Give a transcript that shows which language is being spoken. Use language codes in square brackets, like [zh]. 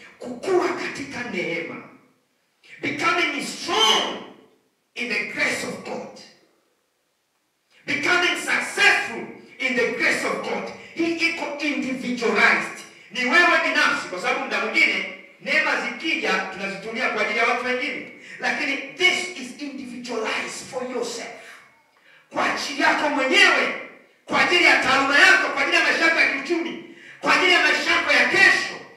[sw] Kukua katika neema, [en] becoming strong in the grace of God, becoming successful in the grace of God. [sw] He iko individualized. Ni wewe binafsi, kwa sababu mda mwingine neema zikija tunazitumia kwa ajili ya watu wengine. [en] Lakini this is individualized for yourself. [sw] Kwa ajili yako mwenyewe, kwa ajili ya taaluma yako, kwa ajili ya maisha yako ya kiuchumi, kwa ajili ya maisha yako ya kesho,